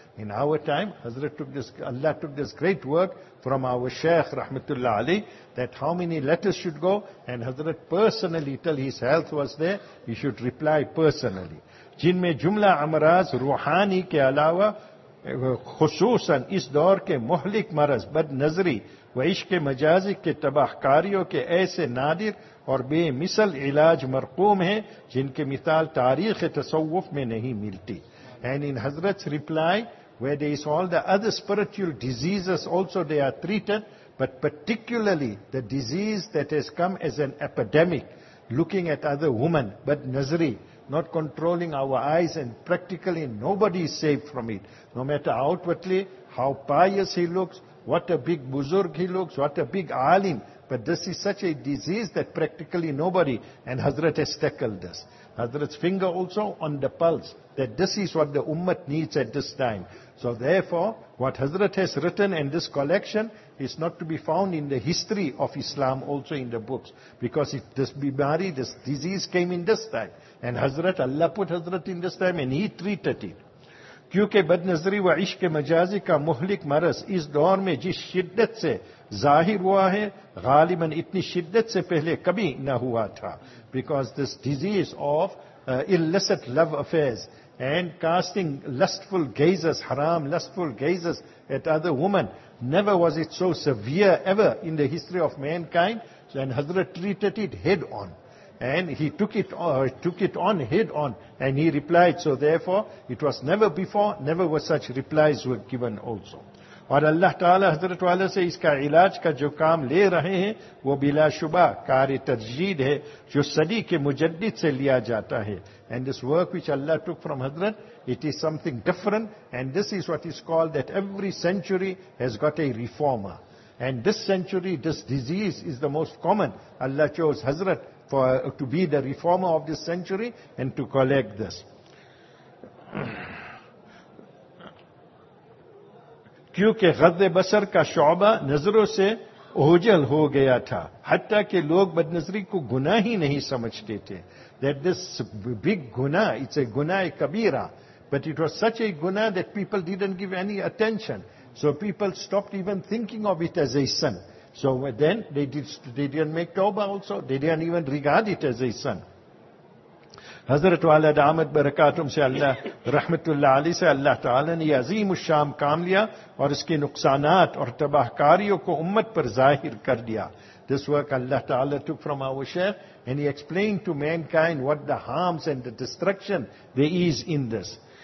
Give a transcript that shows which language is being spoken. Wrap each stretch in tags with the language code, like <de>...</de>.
<en>In our time allah took this great work from our shaykh rahmatullah ali, that how many letters should go, and hazrat personally, till his health was there, he should reply personally.</en> <ur>Jin mein jumla amraz ruhani ke alawa خصوصاً اس دور کے مہلک مرض بد نظری و عشق مجازی کے تباہ کاریوں کے ایسے نادر اور بے مثل علاج مرقوم ہیں جن کے مثال تاریخ تصوف میں نہیں ملتی.</ur> <en>And in Hazrat's reply, where there is all the other spiritual diseases also they are treated, but particularly the disease that has come as an epidemic, looking at other women, but nazri, not controlling our eyes, and practically nobody is saved from it. No matter outwardly how pious he looks, what a big buzurg he looks, what a big alim, but this is such a disease that practically nobody, and Hazrat has tackled this. Hazrat's finger also on the pulse, that this is what the ummah needs at this time. So therefore, what Hazrat has written in this collection is not to be found in the history of Islam also in the books. Because if this bimari, this disease came in this time, and Hazrat, Allah put Hazrat in this time, and he treated it.</en> <ur>کیونکہ بد نظری و عشق مجازی کا مہلک مرض اس دور میں جس شدت سے ظاہر ہوا ہے غالباً اتنی شدت سے پہلے کبھی نہ ہوا تھا.</ur> <en>Because this disease of illicit love affairs and casting lustful gazes, haram lustful gazes at other women, never was it so severe ever in the history of mankind. So, and Hazrat treated it head on. And he took it on head on, and he replied. So therefore, it was never before, never were such replies were given also.</en> <ur>اور اللہ تعالی حضرت والا سے اس کا علاج کا جو کام لے رہے ہیں وہ بلا شبہ کار ترجید ہے جو صدی کے مجدد سے لیا جاتا ہے.</ur> <en>And this work which Allah took from Hazrat, it is something different, and this is what is called that every century has got a reformer. And this century, this disease is the most common. Allah chose Hazrat to be the reformer of this century and to collect this.</en> <ur>کیونکہ غض بصر کا شعبہ نظروں سے اوجل ہو گیا تھا حتیٰ کہ لوگ بد نظری کو گناہ ہی نہیں سمجھتے تھے.</ur> <en>That this big guna, it's a guna kabira, but it was such a guna that people didn't give any attention. So people stopped even thinking of it as a sin. So then they didn't make tawbah also. They didn't even regard it as a sin.</en> <ur>حضرت والا دامت برکاتم سے اللہ رحمت اللہ علی سے اللہ تعالی نے عظیم الشام کام لیا اور اس کے نقصانات اور تباہ کاریوں کو امت پر ظاہر کر دیا.</ur> <en>This work Allah Ta'ala took from our Shaykh, and he explained to mankind what the harms and the destruction there is in this.</en>